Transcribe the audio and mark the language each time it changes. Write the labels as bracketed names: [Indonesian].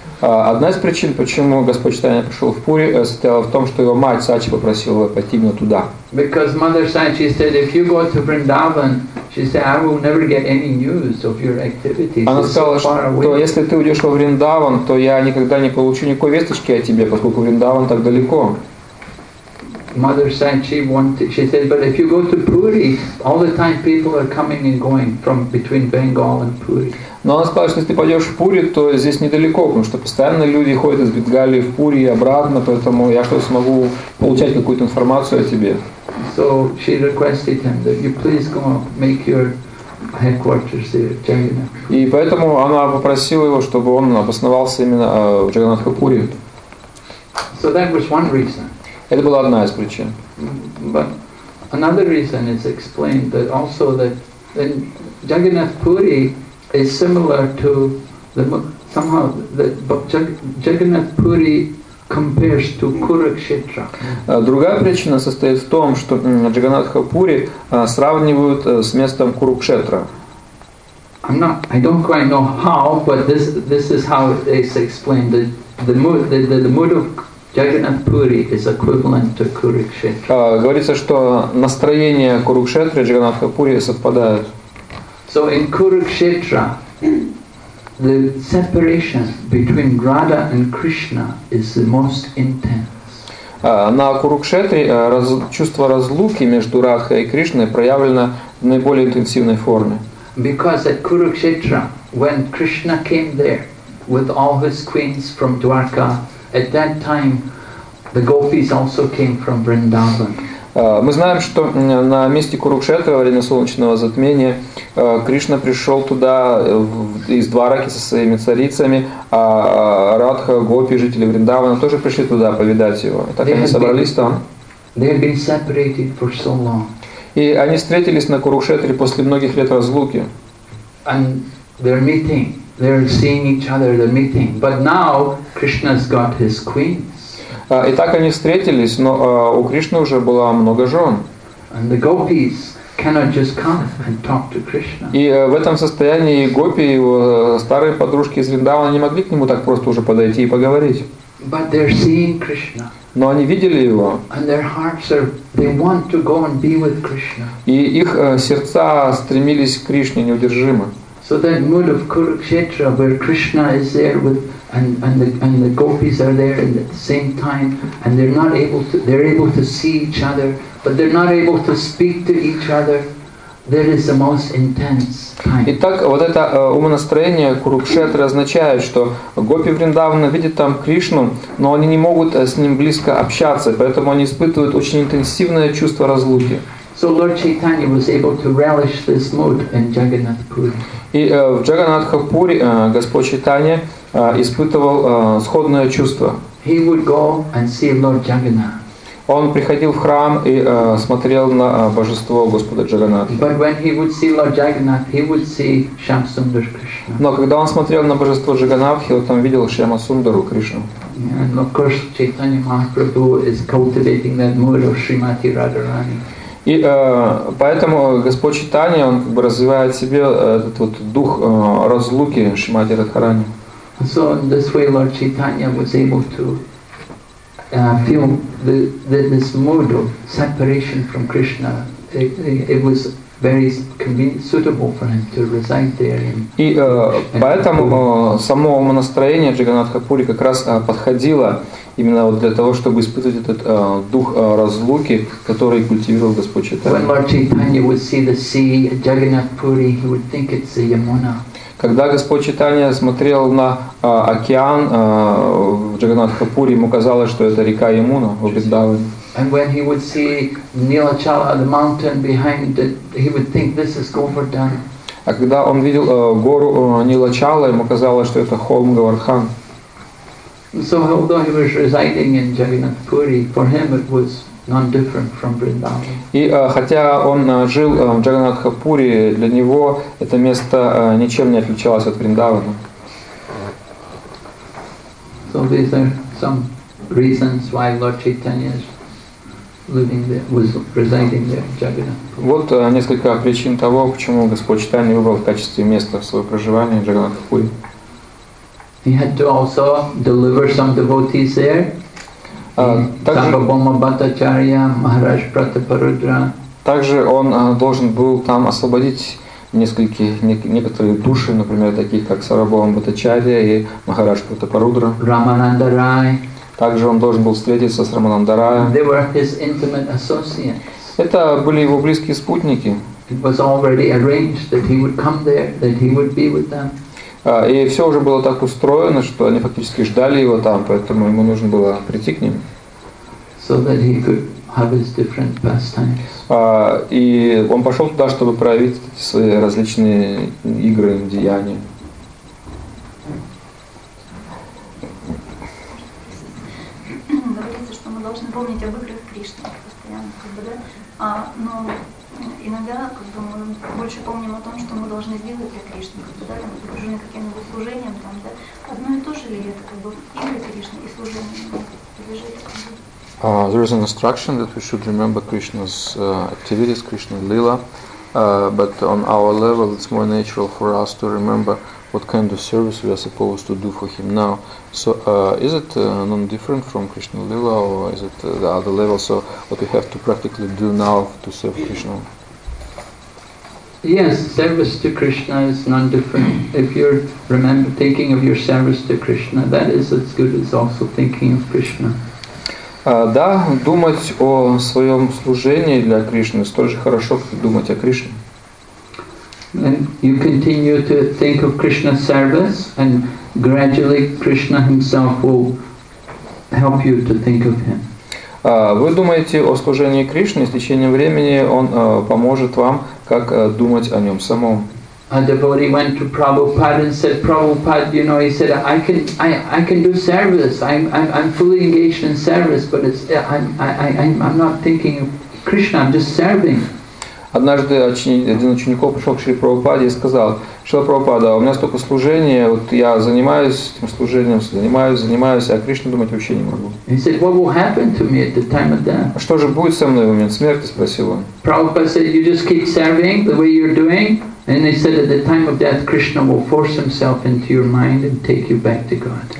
[Russian] Одна из причин, почему Господь Чайтанья пришел в Пури, состояла в том, что его мать Сачи попросила его пойти именно туда. [English] Because mother Sachi said, if you go to Vrindavan, she said, I will never get any news of your activities. [Russian] Она сказала, что если ты уйдешь во Вриндаван, то я никогда не получу никакой весточки о тебе, поскольку Вриндаван так далеко. [English] Mother Sachi wanted, she said, but if you go to Puri, all the time people are coming and going from between Bengal and Puri. [Russian] Но она сказала, что если ты пойдешь в Пури, то здесь недалеко, потому что постоянно люди ходят из Бенгалии в Пури и обратно, поэтому я что-то смогу получать какую-то информацию о тебе. [English] So she requested him that you please go make your headquarters here, Jagannath. [Russian] И поэтому она попросила его, чтобы он обосновался именно в Джаганнатхапури. [English] So that was one reason. [Russian] Это была одна из причин. [English] But another reason is explained that also that in Jagannathpuri is similar to the somehow that Jagannath Puri compares to Kurukshetra. [Russian] Другая причина состоит в том, что Джаганнатхапури сравнивают с местом Курукшетра. [English] I don't quite know how, but this is how it's explained that the mood of Jagannath Puri is equivalent to Kurukshetra. [Russian] Говорится, что настроение Курукшетры и Джаганнатхапури совпадают. [English] So in Kurukshetra, the separation between Radha and Krishna is the most intense. [Russian] На Курукшетре чувство разлуки между Радхой и Кришной проявлено в наиболее интенсивной форме. [English] Because at Kurukshetra, when Krishna came there with all his queens from Dwarka, at that time the gopis also came from Vrindavan. [Russian] Мы знаем, что на месте Курукшетры во время солнечного затмения Кришна пришел туда из Двараки со своими царицами, а Радха, гопи, жители Вриндавана тоже пришли туда повидать его. Так они собрались там. [English] They had been separated for so long. [Russian] И они встретились на Курукшетре после многих лет разлуки. [English] And they're meeting. They're seeing each other. They're meeting. But now Krishna's got his queen. [Russian] И так они встретились, но у Кришны уже было много жен. [English] And the gopis cannot just come and talk to Krishna. [Russian] И в этом состоянии гопи, его старые подружки из Вриндавана, не могли к нему так просто уже подойти и поговорить. [English] But they're seeing Krishna. [Russian] Но они видели его. [English] And their hearts are, they want to go and be with Krishna. [Russian] И их сердца стремились к Кришне неудержимо. [English] So that mood of Kurukshetra, where Krishna is there with And the gopis are there at the same time, and they're able to see each other, but they're not able to speak to each other. That is the most intense time. [Russian] Итак, вот это умонастроение Курукшетры означает, что гопи Вриндавана видят там Кришну, но они не могут с ним близко общаться, поэтому они испытывают очень интенсивное чувство разлуки. [English] So Lord Chaitanya was able to relish this mood in Jagannath Puri. [Russian] И в Джаганнатхапури Господь Чайтанья испытывал сходное чувство. [English] He would go and see Lord Jagannath. [Russian] Он приходил в храм и смотрел на божество Господа Джаганнатха. [English] But when he would see Lord Jagannath, he would see Shyamasundara Krishna. [Russian] Но когда он смотрел на божество Джаганнатхи, он там видел Шьямасундару Кришну. [English] And of course, Chaitanya Mahaprabhu is cultivating that mood of Srimati Radharani. [Russian] И поэтому Господь Чайтанья, он как бы развивает в себе этот вот дух разлуки Шримати Радхарани. [English] So in this way Lord Chaitanya was able to feel this mood of separation from Krishna. It was very convenient, suitable for him to reside there. [Russian] И поэтому само умонастроение Джаганнатхапури как раз подходило именно вот для того, чтобы испытывать этот дух разлуки, который культивировал Господь Чайтанья. [English] When Lord Chaitanya would see the sea at Jagannathpuri, he would think it's the Yamuna. [Russian] Когда Господь Чайтанья смотрел на океан в Джаганнатхапури, ему казалось, что это река Ямуна в Вриндаване. [English] And when he would see Nilachala, the mountain behind it, he would think this is Govardhan. [Russian] А когда он видел гору Нилачала, ему казалось, что это холм Говардхан. [English] So although he was residing in Jagannathpuri, for him it was non-different from Vrindavan. [Russian] И хотя он жил в Джаганнатхапури, для него это место ничем не отличалось от Вриндавана. [English] So these are some reasons why Lord Chaitanya is living there, was residing there in Jagannathpuri. [Russian] Вот несколько причин того, почему Господь Чайтанья выбрал в качестве места своего проживания Джаганнатхапури. [English] He had to also deliver some devotees there. [Russian] Сарвабхаума Бхаттачарья, Махарадж Пратапарудра. Также он должен был там освободить некоторые души, например, таких как Сарвабхаума Бхаттачарья и Махарадж Пратапарудра. Рамананда Рай. Также он должен был встретиться с Рамананда Рая. [English] They were his intimate associates. [Russian] Это были его близкие спутники. [English] It was already arranged that he would come there, that he would be with them. [Russian] И все уже было так устроено, что они фактически ждали его там, поэтому ему нужно было прийти к ним. [English] So that he could have his different pastimes. [Russian] И он пошел туда, чтобы проявить свои различные игры и деяния. Говорится, что мы должны помнить об играх Кришны постоянно, как бы, да? Но иногда как бы, мы больше помним о том, что мы должны сделать для Кришны, как бы, да, там, окружены каким-нибудь служением, там, да? Одно и то же ли это, как бы, игры Кришны и служение, подлежит, как бы. [English] There is an instruction that we should remember Krishna's activities, Krishna's lila, but on our level it's more natural for us to remember what kind of service we are supposed to do for him now. So is it non-different from Krishna lila, or is it the other level? So what we have to practically do now to serve Krishna? Yes, service to Krishna is non-different. If you're thinking of your service to Krishna, that is as good as also thinking of Krishna. [Russian] Да, думать о своем служении для Кришны столь же хорошо, как думать о Кришне. [English] And you continue to think of Krishna's service, and gradually Krishna himself will help you to think of him. [Russian] Вы думаете о служении Кришны, и с течением времени он поможет вам, как думать о нем самом. [English] A devotee went to Prabhupada and said, Prabhupada, you know, he said, I can do service. I'm fully engaged in service, but I'm not thinking of Krishna, I'm just serving. [Russian] Однажды один ученик пришел к Шри Прабхупаде и сказал: Шри Прабхупада, у меня столько служения, вот я занимаюсь этим служением, занимаюсь, а Кришну думать вообще не могу. [English] He said, what will happen to me at the time of death? [Russian] Что же будет со мной в момент смерти, спросил он. [English] Prabhupada said, you just keep serving the way you're doing. And they said at the time of death, Krishna will force himself into your mind and take you back to God.